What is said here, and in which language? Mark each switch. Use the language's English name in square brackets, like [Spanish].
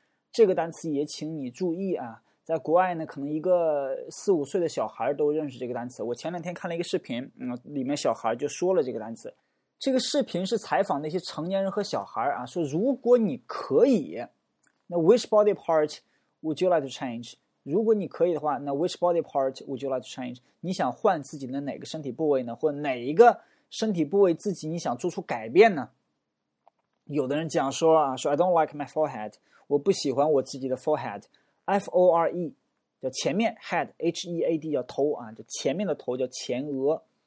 [Chinese] 这个单词也请你注意啊，在国外呢，可能一个四五岁的小孩都认识这个单词。我前两天看了一个视频，里面小孩就说了这个单词。这个视频是采访那些成年人和小孩啊，说如果你可以，那 [English] which body part would you like to change？ [Chinese] 如果你可以的话，那 [English] which body part would you like to change？ [Chinese] 你想换自己的哪个身体部位呢？或哪一个身体部位自己你想做出改变呢？有的人讲说啊，说 [English] I don't like my forehead， [Chinese] 我不喜欢我自己的 forehead。 F-O-R-E 叫前面 head， H-E-A-D 叫头啊，就前面的头叫前额。